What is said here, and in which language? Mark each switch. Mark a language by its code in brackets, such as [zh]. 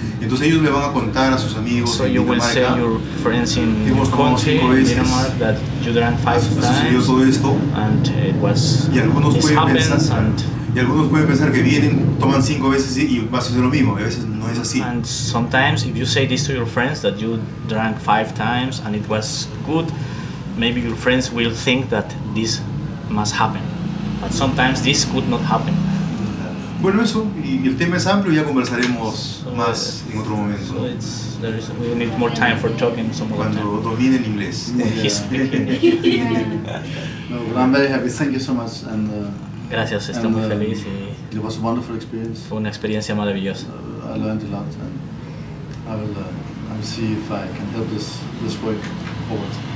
[es] Entonces ellos le van a contar a sus amigos [en] so [es] en [en] you [es] Dinamarca. [en] Will say your friends in [es] hemos tomado 5 veces. [en] Dinamarca, that you drank 5 times. [es] Sucedió todo esto. [en] And it was, [es] y algunos pueden pensar que vienen, toman 5 veces y va a suceder lo mismo. A veces no es así. [en] And sometimes if you say this to your friends that you drank 5 times and it was good, maybe your friends will think that this must happen. But sometimes this could not happen. [es] Bueno, eso, y el tema es amplio, ya conversaremos más en otro momento. [en] So we need more time for talking some more. [es] Cuando domine el inglés. [en] He's speaking. Well, I'm very happy, thank you so much. And, [es] gracias, estoy muy feliz. [en] It was a wonderful experience. [es] Fue una experiencia maravillosa. [en] I learned a lot, and I'll see if I can help this work forward.